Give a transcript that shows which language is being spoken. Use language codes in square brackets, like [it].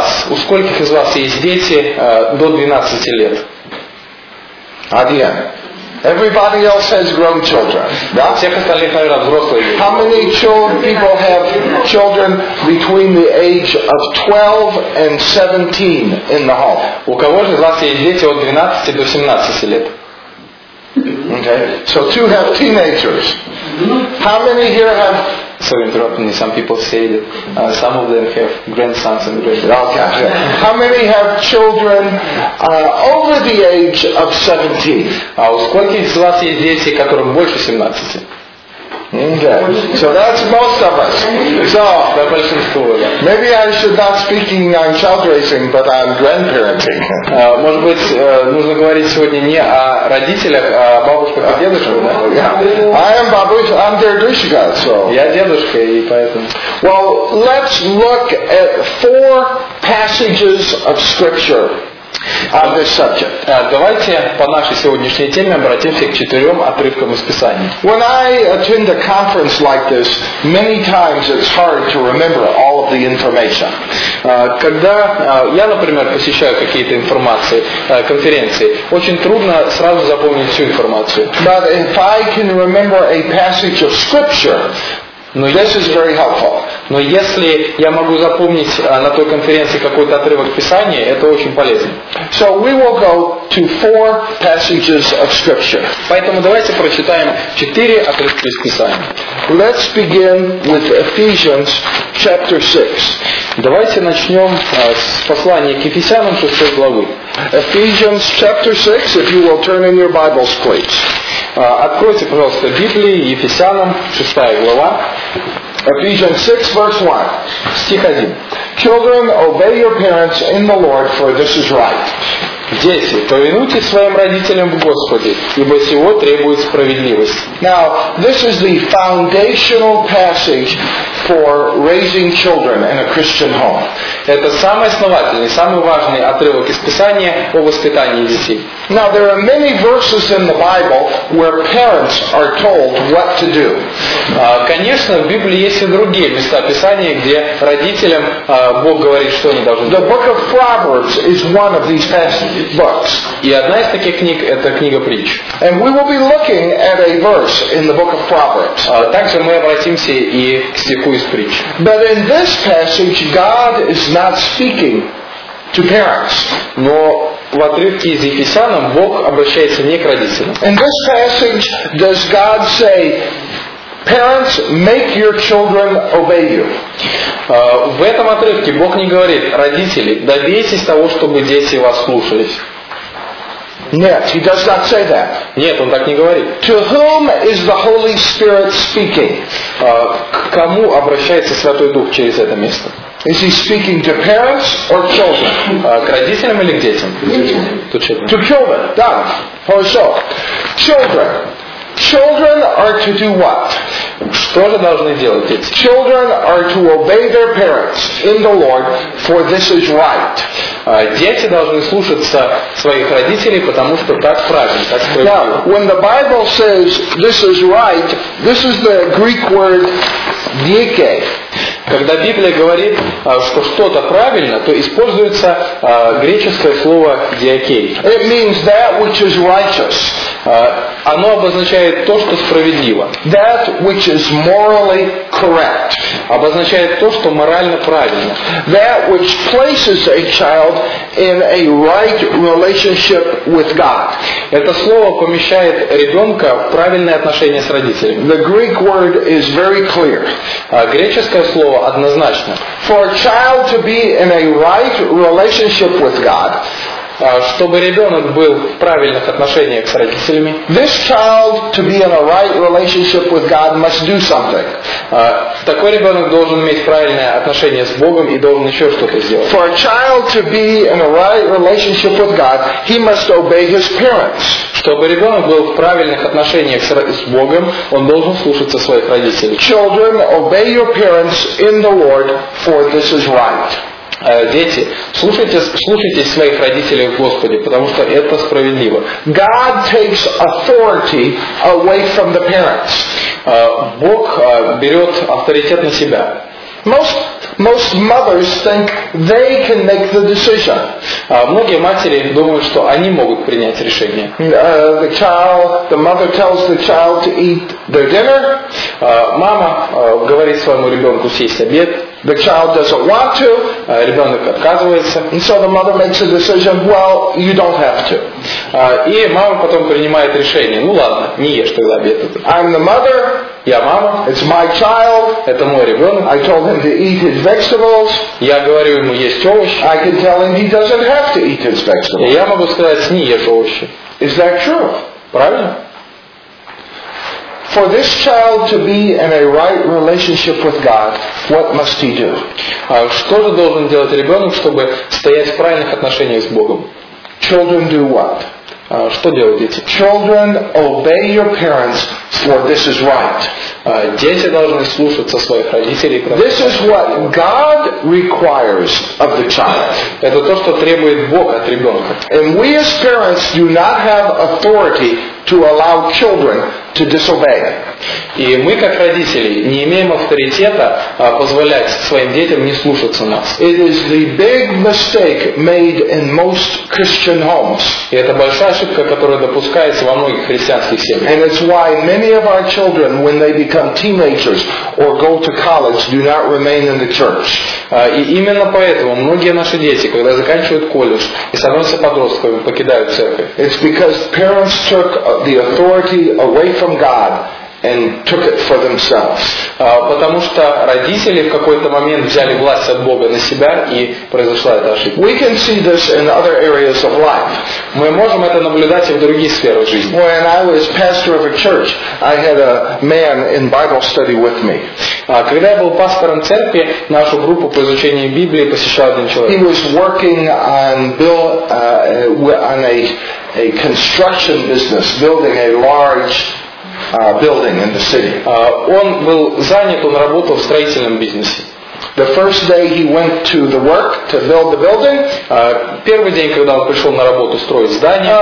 [ru] У скольких из вас есть дети до 12 лет? [en] Adrian. Everybody else has grown children. How many people have children between the age of 12 and 17 in the home? [ru] У кого же из вас есть дети от 12 до 17 лет? [en] Okay. So two have teenagers. How many here have? Sorry, interrupting me. Some people say that some of them have grandsons and granddaughters. Okay. How many have children over the age of 17? [ru] У скольких из вас есть дети, которым больше 17? [en] Okay. So that's most of us. So maybe I should not speaking on child raising, but on grandparenting. [ru] Может быть, нужно говорить сегодня не о родителях, а о бабушках и дедушках, да? [en] I am [ru] бабушка, [en] I'm their [ru] дедушка, [en] so. [ru] Я дедушка, и поэтому. [en] Well, let's look at four passages of Scripture. [ru] Давайте по нашей сегодняшней теме обратимся к четырем отрывкам из Писания. [en] When I attend a conference like this, many times it's hard to remember all of the information. [ru] Когда я, например, посещаю какие-то информации, конференции, очень трудно сразу запомнить всю информацию. [en] But if I can remember a passage of Scripture, this is very helpful. [ru] Но если я могу запомнить на той конференции какой-то отрывок Писания, это очень полезно. [en] So we will go to four passages of Scripture. [ru] Поэтому давайте прочитаем четыре отрывка из Писания. [en] Let's begin with Ephesians chapter 6. [ru] Давайте начнем с послания к Ефесянам 6 главы. [en] Ephesians chapter 6, if you will turn in your Bibles, please. [ru] Откройте, пожалуйста, Библию, Ефесянам, 6 глава. [en] Ephesians 6, verse 1. [ru] Стих 1. [en] Children, obey your parents in the Lord, for this is right. [ru] Дети, повинуйтесь своим родителям в Господе, ибо сего требует справедливость. [en] Now, this is the foundational passage for raising children in a Christian home. [ru] Это самый основательный, самый важный отрывок из Писания о воспитании детей. [en] Now, there are many verses in the Bible where parents are told what to do. [ru] Конечно, в Библии есть и другие места Писания, где родителям Бог говорит, что они должны делать. [en] The book of Proverbs is one of these passages. [ru] И одна из таких книг – это книга притч. [en] And we will be looking at a verse in the book of Proverbs. [ru] Также мы обратимся и к стиху из притч. [en] But in this passage, God is not speaking to parents. [ru] Но в отрывке из Ефесянам Бог обращается не к родителям. [en] In this passage, does God say, parents, make your children obey you. [ru] В этом отрывке Бог не говорит, родители, добейтесь того, чтобы дети вас слушались. Нет, [en] he does not say that. [ru] Нет, он так не говорит. [en] To whom is the Holy Spirit speaking? [ru] К кому обращается Святой Дух через это место? [en] Is he speaking to parents or children? [ru] К родителям или к детям? [en] To children. [ru] Да. Хорошо. [en] Children. Children are to do what? [ru] Что же должны делать дети? [en] Children are to obey their parents in the Lord, for this is right. [ru] Дети должны слушаться своих родителей, потому что так правильно, так справедливо. [en] Now, when the Bible says this is right, this is the Greek word dike. [ru] Когда Библия говорит, что что-то правильно, то используется греческое слово диакей. [en] It means that which is righteous. [ru] Оно обозначает то, что справедливо. [en] That which is morally correct. [ru] Обозначает то, что морально правильно. [en] That which places a child in a right relationship with God. [ru] Это слово помещает ребенка в правильное отношение с родителями. [en] The Greek word is very clear. [ru] Греческое слово однозначно. [en] For a child to be in a right relationship with God, [ru] чтобы ребенок был в правильных отношениях с родителями, [en] this child to be in a right relationship with God must do something. [ru] Такой ребенок должен иметь правильное отношение с Богом и должен еще что-то сделать. [en] For a child to be in a right relationship with God, he must obey his parents. [ru] Чтобы ребенок был в правильных отношениях с Богом, он должен слушаться своих родителей. [en] Children, obey your parents in the Lord, for this is right. [ru] Дети, слушайте своих родителей в Господе, потому что это справедливо. [en] God takes authority away from the parents. [ru] Бог берет авторитет на себя. [en] Most mothers think they can make the decision. [ru] Многие матери думают, что они могут принять решение. [en] The mother tells the child to eat their dinner. [ru] Мама говорит своему ребенку съесть обед. [en] The child doesn't want to. [ru] Ребенок отказывается. [en] And so the mother makes a decision. Well, you don't have to. [ru] И мама потом принимает решение. Ну ладно, не ешь тогда обед. [en] I'm the mother. [ru] Я мама. [en] It's my child. [ru] Это мой ребенок. [en] I told him to eat his vegetables. [ru] Я говорю ему есть овощи. [en] I can tell him he doesn't have to eat his vegetables. [ru] Я могу сказать, не ешь овощи. [en] Is that true? [ru] Правильно? [en] For this child to be in a right relationship with God, what must he do? [ru] Что же должен делать ребенок, чтобы стоять в правильных отношениях с Богом? [en] Children do what? [ru] Что делают дети? [en] Children obey your parents, for this is right. [ru] Дети должны слушаться своих родителей. [en] This is what God requires of the child. [ru] Это то, что требует Бог от ребенка. [en] And we as parents do not have authority to allow children to disobey. [ru] И мы как родители не имеем авторитета позволять своим детям не слушаться нас. [en] It is the big mistake made in most Christian homes. [ru] И это большая ошибка, которая допускается во многих христианских семьях. [en] And it's why many of our children, when they become teenagers or go to college, do not remain in the church. [ru] И именно поэтому многие наши дети, когда заканчивают колледж и становятся подростками, покидают церковь. [en] It's because parents took the authority away from God and took it for themselves. [ru] Потому что родители в какой-то момент взяли власть от Бога на себя, и произошла эта ошибка. [en] We can see this in other areas of life. [ru] Мы можем это наблюдать и в других сферах жизни. [en] When I was pastor of a church, I had a man in Bible study with me. [ru] Когда я был пастором церкви, нашу группу по изучению Библии посещал один человек. [en] He was working on a construction business, building a large building in the city. [ru] Он был занят, он работал в строительном бизнесе. [en] The first day he went to the work to build the building, [ru] первый день, когда он пришел на работу строить здание,